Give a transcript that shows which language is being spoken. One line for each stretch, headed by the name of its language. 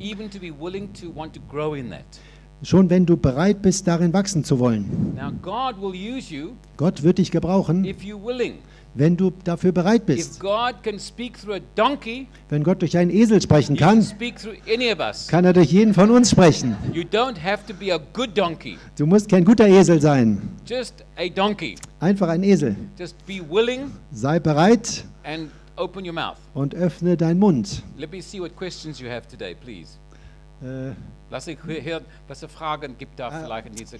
English: even to be willing to want to grow in that.
German: Schon wenn du bereit bist, darin wachsen zu wollen.
English: Now God will use you,
German: Gott wird dich gebrauchen,
English: if you're willing,
German: wenn du dafür bereit bist.
English: If God can speak through a donkey,
German: wenn Gott durch einen Esel sprechen kann,
English: he can speak through any of us.
German: Kann er durch jeden von uns sprechen.
English: You don't have to be a good donkey.
German: Du musst kein guter Esel sein.
English: Just a donkey.
German: Einfach ein Esel.
English: Just be willing,
German: sei bereit
English: and open your mouth.
German: Und öffne deinen Mund.
English: Let me see what questions you have today, please.
German: Lass ich hören, was für Fragen gibt da vielleicht in dieser